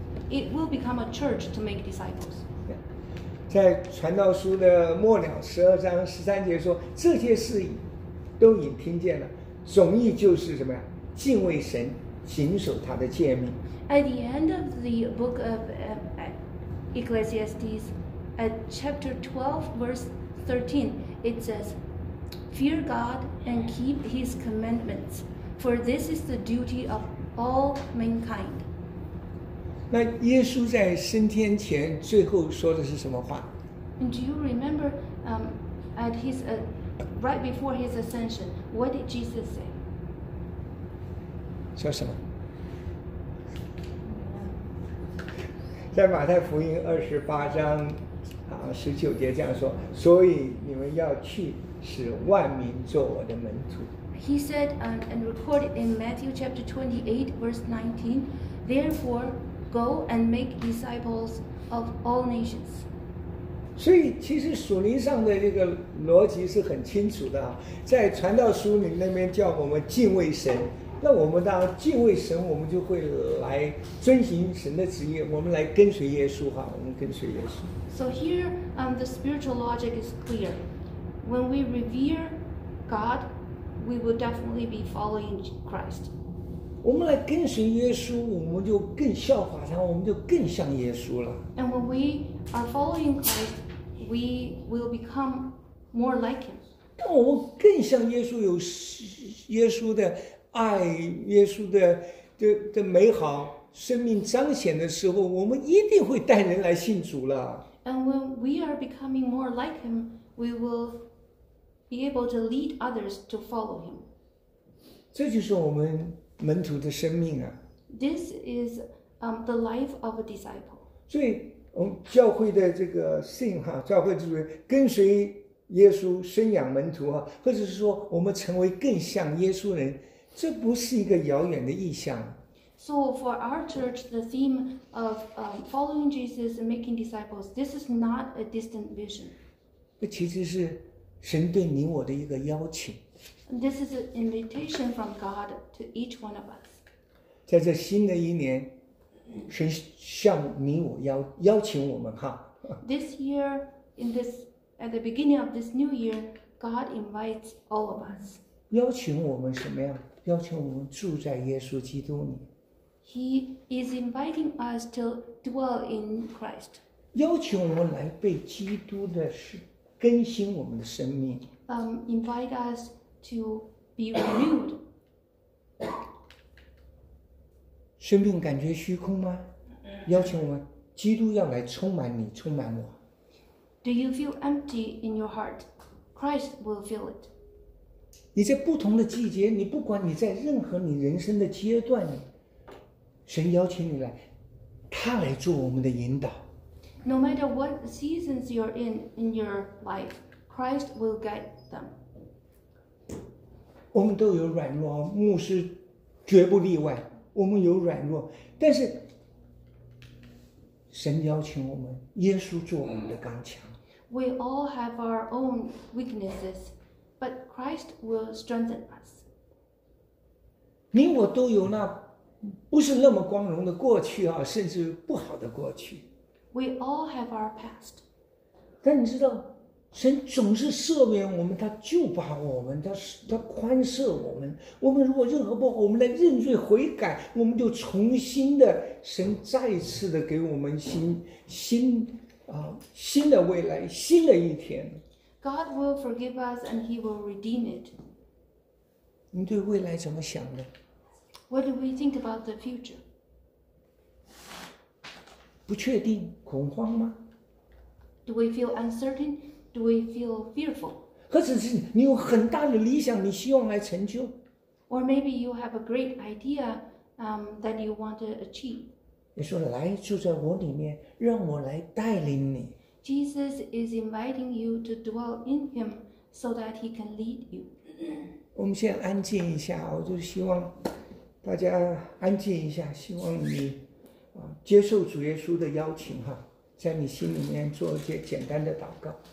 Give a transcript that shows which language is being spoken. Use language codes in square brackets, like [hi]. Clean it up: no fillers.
[en] It will become a church to make disciples. [zh] 在传道书的末了十二章十三节说，这些事都已听见了。总意就是什么呀？敬畏神，谨守他的诫命。 [en] At the end of the book of Ecclesiastes, at chapter 12, verse 13, it says, "Fear God and keep His commandments, for this is the duty of all mankind." [zh] 那耶稣在升天前最后说的是什么话？ [en] And do you remember, at his, right before his ascension, what did Jesus say? [zh] 说什么？在马太福音二十八章啊十九节这样说，所以你们要去，使万民做我的门徒。 [en] He said, and recorded in Matthew chapter 28, verse 19, therefore go and make disciples of all nations. [zh] 所以其实属灵上的这个逻辑是很清楚的，在传道书里那边叫我们敬畏神。那我们当敬畏神，我们就会来遵行神的旨意，我们来跟随耶稣哈，我们跟随耶稣。 [en] So here, the spiritual logic is clear. When we revere God, we will definitely be following Christ. [zh] 我们来跟随耶稣，我们就更效法他，我们就更像耶稣了。 [en] And when we are following Christ, we will become more like Him. [zh] 当我们更像耶稣，有耶稣的爱耶稣 的美好生命彰显的时候，我们一定会带人来信主了。 [en] And when we are becoming more like him, we will be able to lead others to follow him. [zh] 这就是我们门徒的生命啊。 [en] This is the life of a disciple. [zh] 所以我们教会的这个信哈，教会就是跟随耶稣生养门徒啊，或者是说我们成为更像耶稣人，这不是一个遥远的意象。 [en] So for our church, the theme of following Jesus and making disciples, this is not a distant vision. [zh] 这其实是神对你我的一个邀请。 [en] This is an invitation from God to each one of us. [zh] 在这新的一年，神向你我邀请我们哈。 [en] This year, at the beginning of this new year, God invites all of us. [zh] 邀请我们什么呀？邀请我们住在耶稣基督里。 [en] He is inviting us to dwell in Christ. [zh] 邀请我们来被基督的更新我们的生命。 [en] Invite us to be renewed. [zh] 生命感觉虚空吗？邀请我们，基督要来充满你，充满我。 [en] Do you feel empty in your heart? Christ will fill it. [zh] 你在不同的季节，你不管你在任何你人生的阶段，神邀请你来，他来做我们的引导。 [en] No matter what seasons you're in your life, Christ will guide them. [zh] 我们都有软弱，牧师绝不例外。我们有软弱，但是神邀请我们，耶稣做我们的刚强。 [en] We all have our own weaknesses. But Christ will strengthen us. [zh] 你我都有那不是那么光荣的过去啊，甚至不好的过去。 [en] We all have our past. [zh] 但你知道，神总是赦免我们，他救拔我们，他宽赦我们。我们如果任何不好，我们来认罪悔改，我们就重新的，神再次的给我们新的未来，新的一天。 [en] God will forgive us and He will redeem it. [zh] 你对未来怎么想的？ [en] What do we think about the future? [zh] 不确定，恐慌吗？ [en] Do we feel uncertain? Do we feel fearful? [zh] 或者是你有很大的理想，你希望来成就？ [en] Or maybe you have a great idea, that you want to achieve. [zh] 你说来住在我里面，让我来带领你。 [en] Jesus is inviting you to dwell in Him so that He can lead you. [zh] 我们先安静一下，我就希望大家安静一下，希望你接受主耶稣的邀请哈，在你心里面做一些简单的祷告。